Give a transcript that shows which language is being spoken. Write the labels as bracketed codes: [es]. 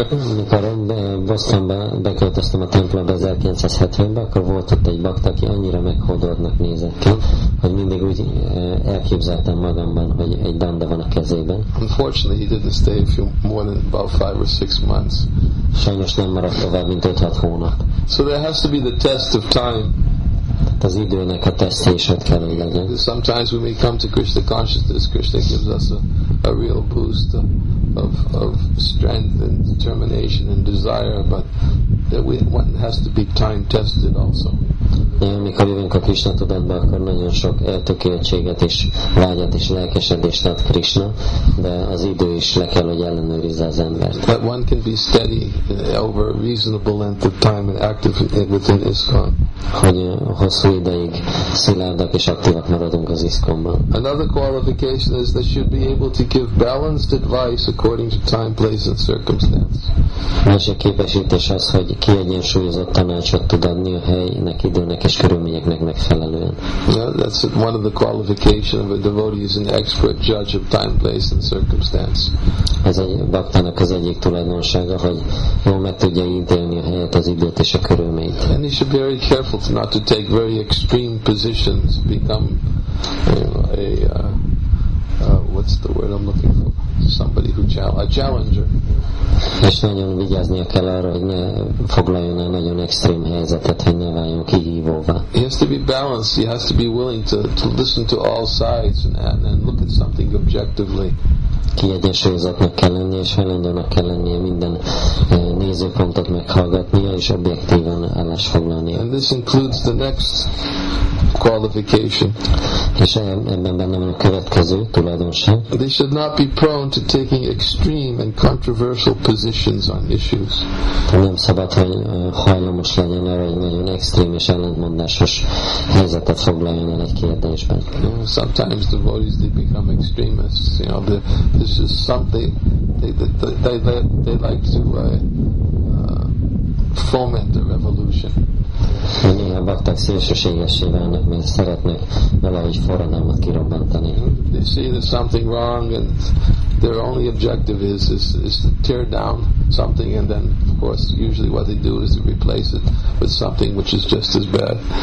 [hu] Amikor Bostonba beköltöztem a templomba 1970-ben, akkor volt ott egy bhakta, aki annyira meghódoltnak nézett ki, hogy mindig úgy elképzeltem magamban, hogy egy danda van a kezében. [en] Unfortunately, he didn't stay a few more than about 5 or 6 months. [hu] Sajnos nem maradt tovább, mint 5-6 hónap. [en] So there has to be the test of time. [hu] Az időnek a tesztését kell, hogy legyen. [en] Sometimes when we come to Krishna consciousness, Krishna gives us a real boost of strength and determination and desire, but that one has to be time tested also. [hu] Amikor jövünk a Krishna tudatba, akkor nagyon sok eltökéltséget és vágyat és lelkesedést ad Krishna, de az idő is le kell, hogy ellenőrizze az embert. [en] But one can be steady over a reasonable length of time and active within ISKCON. [hu] Hogy hosszú ideig szilárdak és aktívak maradunk az ISKCON-ban. [en] Another qualification is that should be able to give balanced advice according to time, place and circumstance. [hu] Másik képesítés az, hogy kiegyensúlyozott tanácsot tud adni a helynek, időnek és körülményeknek megfelelően. [en] Yeah, that's one of the qualifications of a devotee, is an expert judge of time, place and circumstance. [hu] Ez egy baktának az egyik tulajdonsága, hogy jól meg tudja ítélni a helyet, az időt és a körülményt. [en] And he should be very careful not to take very extreme positions, become a challenger. [hu] És nagyon vigyáznia kell arra, hogy ne foglaljon el nagyon extrém helyzetet, hogy ne váljon kihívóvá. [en] He has to be balanced. He has to be willing to listen to all sides and look at something objectively. [hu] Kiegyensúlyozottnak kell lennie, és hajlandónak kell lennie minden nézőpontot meghallgatnia, és objektíven állásfoglalnia. [en] And this includes the next qualification. [hu] És ebben benne van a következő tulajdonság. [en] They should not be prone to taking extreme and controversial positions on issues. [hu] Nem szabad, hogy hajlamos legyen arra, hogy nagyon extrém és ellentmondásos helyzetet foglaljon el egy kérdésben. [en] Sometimes the devotees, they become extremists. You know, this is something they like to foment a revolution. [hu] Néha baktak szélsőségessé válnak, mert szeretnek valahogy forradalmat kirobbantani. [en] They see there's something wrong and their only objective is to tear down something, and then of course usually what they do is to replace it with something which is just as bad.